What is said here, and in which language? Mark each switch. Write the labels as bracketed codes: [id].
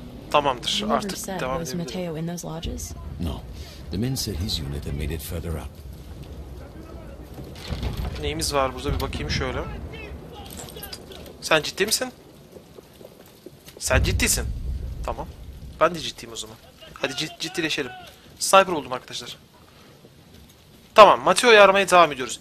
[tr] Tamamdır, artık devam edebiliriz. [en] No. The men said his unit had made it further up. [tr] Neyimiz var burada bir bakayım şöyle. Sen ciddi misin? Sen ciddisin. Tamam. Ben de ciddiyim o zaman. Hadi ciddileşelim. Sniper oldum arkadaşlar. Tamam, Mateo'yu aramaya devam ediyoruz.